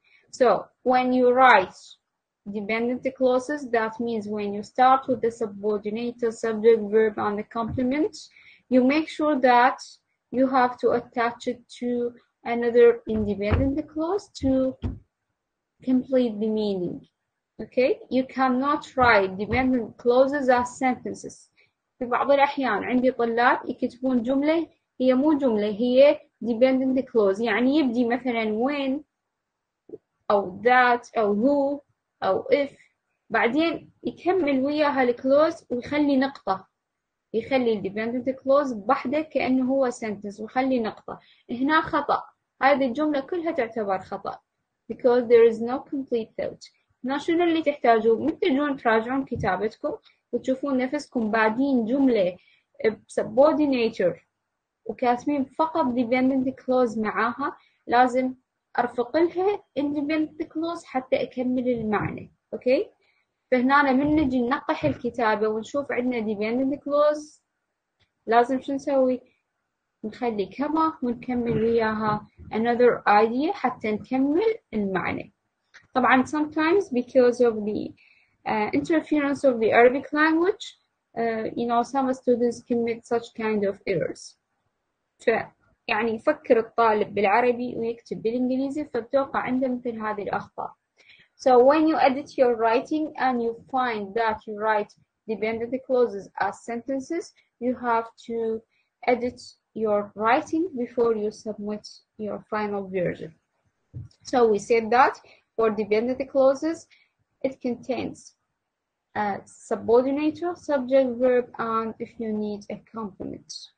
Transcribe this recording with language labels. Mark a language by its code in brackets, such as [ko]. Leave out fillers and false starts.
[en] So when you write dependent clauses, that means when you start with the subordinator, subject, verb, and the complement, you make sure that you have to attach it to another independent clause to complete the meaning. Okay, you cannot write dependent clauses as sentences. [ar] في بعض الأحيان عندي طلاب يكتبون جملة هي مو جملة هي dependent clause. يعني يبدي مثلاً when أو that أو who أو if. بعدين يكمل وياها الكلوز ويخلي نقطة. يخلي dependent clause بحده كأنه هو sentence ويخلي نقطة. هنا خطأ. هذه الجملة كلها تعتبر خطأ. [en] Because there is no complete thought. [ar] هنا شنو اللي تحتاجوه؟ من تجون تراجعون كتابتكم وتشوفون نفسكم بعدين جملة subordinator وكاتمين فقط dependent clause معاها، لازم أرفق لها independent clause حتى أكمل المعنى، أوكي؟ فهنا من نجي ننقح الكتابة ونشوف عندنا dependent clause، لازم شو نسوي؟ نخلي كما ونكمل وياها [en] another idea [ar] حتى نكمل المعنى. [en] طبعاً sometimes because of the interference of the Arabic language, you know, some students commit such kind of errors. [ar] فيعني يفكر الطالب بالعربي ويكتب بالإنجليزي فبتوقع عنده مثل هذه الأخطاء. [en] So when you edit your writing and you find that you write dependent clauses as sentences, you have to edit your writing before you submit your final version. So we said that for dependent clauses, it contains a subordinator, subject, verb, and if you need a complement.